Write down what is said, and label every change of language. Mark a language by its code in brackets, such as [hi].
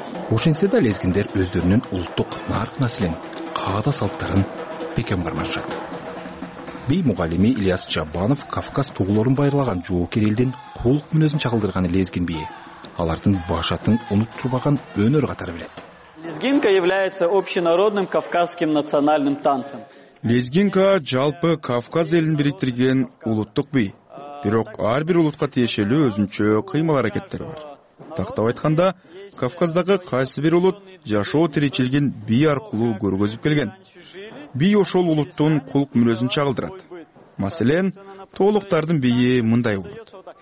[ky] Ошентсе да лезгиндер өздөрүнүн улуттук нарк маселен, каада салттарын бекем бармашат. Бий мугалими Ильяс Жабанов Кавказ тууларын байырлаган жоокер элдин кулук мүнөзүн чагылдырган лезгин бийи. Алардын башатын унуттурбаган өнөр катары билет. [ru] Лезгинка является общенародным кавказским национальным танцем. [ky] Лезгинка жалпы Кавказ элин бириктирген улуттук бий. Бирок ар бир улутка тиешелүү өзүнчө кыймыл аракеттери бар. Тактап айтканда, Кавказдагы кайсы бир улут жашоо тиричилген бий аркылуу көргөзүп келген. Бий ошол улуттун кулук мүнөзүн чагылдырат. Маселен, тоолуктардын бийи мындай болот.